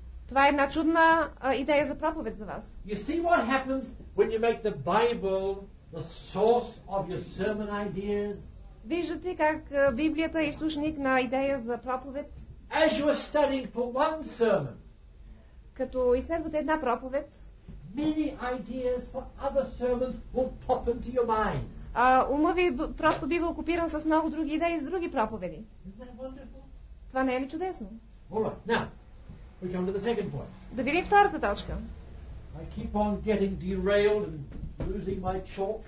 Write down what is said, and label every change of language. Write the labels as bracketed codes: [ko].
[bg] Това е една чудна идея за проповед за вас. [en] You see what happens when you make the Bible the source of your sermon ideas? [bg] Виждате как Библията е източник на идея за проповед? [en] As you are studying for one sermon. [bg] Като изследвате една проповед, [en] many ideas for other sermons will pop into your mind. [bg] Ума ви просто бива окупиран с много други идеи за други проповеди. Това не е ли чудесно? [en] All right, now, we come to the second point. [bg] Да видим втората точка. [en] I keep on getting derailed and losing my chalk.